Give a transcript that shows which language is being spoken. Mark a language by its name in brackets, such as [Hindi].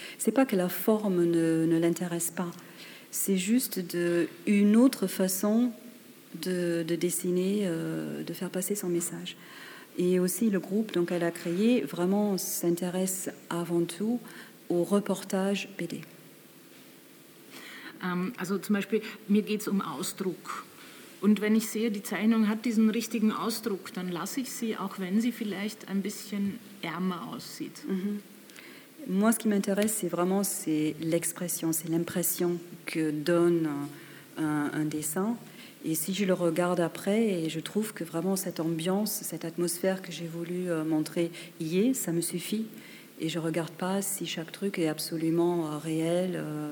[French] C'est pas que la forme ne l'intéresse pas, c'est juste une autre façon de dessiner, de faire passer son message. Et aussi le groupe donc elle a créé vraiment s'intéresse avant tout au reportage BD. [German] Also zum Beispiel mir geht's um Ausdruck. Und wenn ich sehe, die Zeichnung hat diesen richtigen Ausdruck, dann lasse ich sie, auch wenn sie vielleicht ein bisschen ärmer aussieht. Mm-hmm. [French] Moi, ce qui m'intéresse, c'est vraiment c'est l'expression, c'est l'impression que donne un dessin. Et si je le regarde après, et je trouve que vraiment cette ambiance, cette atmosphère que j'ai voulu montrer y est, ça me suffit. Et je ne regarde pas si chaque truc est absolument réel.